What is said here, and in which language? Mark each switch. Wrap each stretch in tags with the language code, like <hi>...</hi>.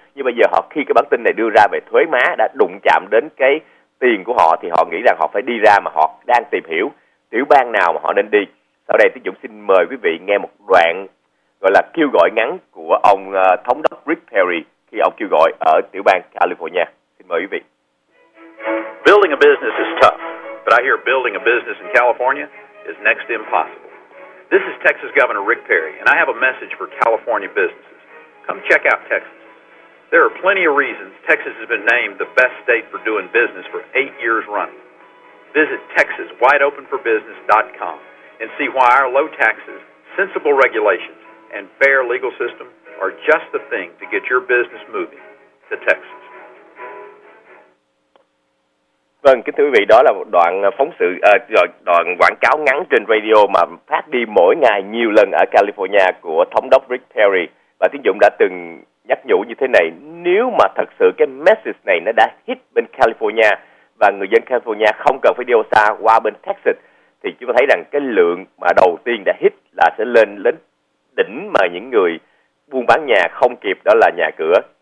<vi>Nhưng bây giờ họ khi cái bản tin này đưa ra về thuế má đã đụng chạm đến cái tiền của họ thì họ nghĩ rằng họ phải đi ra, mà họ đang tìm hiểu tiểu bang nào mà họ nên đi. Sau đây Tiến Dũng xin mời quý vị nghe một đoạn gọi là kêu gọi ngắn của ông thống đốc Rick Perry khi ông kêu gọi ở tiểu bang California. Xin mời quý vị.</vi> <en>Building a business is tough, but I hear building a business in California is next to impossible. This is Texas Governor Rick Perry, and I have a message for California businesses. Come check out Texas. There are plenty of reasons Texas has been named the best state for doing business for 8 years running. Visit TexasWideOpenForBusiness.com and see why our low taxes, sensible regulations, and fair legal system are just the thing to get your business moving to Texas.</en> <vi>Vâng, kính thưa quý vị, đó là một đoạn phóng sự, đoạn quảng cáo ngắn trên radio mà phát đi mỗi ngày nhiều lần ở California của thống đốc Rick Perry. Và Tiến Dũng đã từng nhắc nhủ như thế này, nếu mà thật sự cái message này nó đã hit bên California và người dân California không cần phải đi xa qua bên Texas, thì chúng ta thấy rằng cái lượng mà đầu tiên đã hit là sẽ lên đến đỉnh mà những người buôn bán nhà không kịp, đó là nhà cửa.</vi>